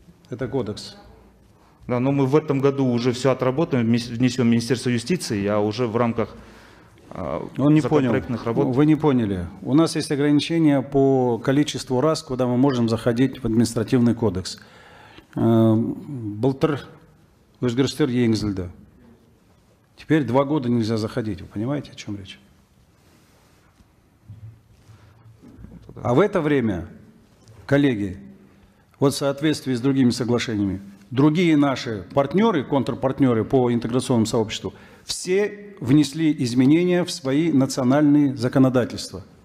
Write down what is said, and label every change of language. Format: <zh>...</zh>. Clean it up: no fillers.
<ru>Это кодекс. Да, но мы в этом году уже все отработаем, внесем в Министерство юстиции, а уже в рамках... Он не понял. Вы не поняли. У нас есть ограничения по количеству раз, куда мы можем заходить в административный кодекс.</ru> <kk>Былтыр өзгерістер енгізілді.</kk> <ru>Теперь два года нельзя заходить. Вы понимаете, о чем речь? А в это время, коллеги, вот в соответствии с другими соглашениями, другие наши партнеры, контрпартнеры по интеграционному сообществу, все внесли изменения в свои национальные законодательства.</ru>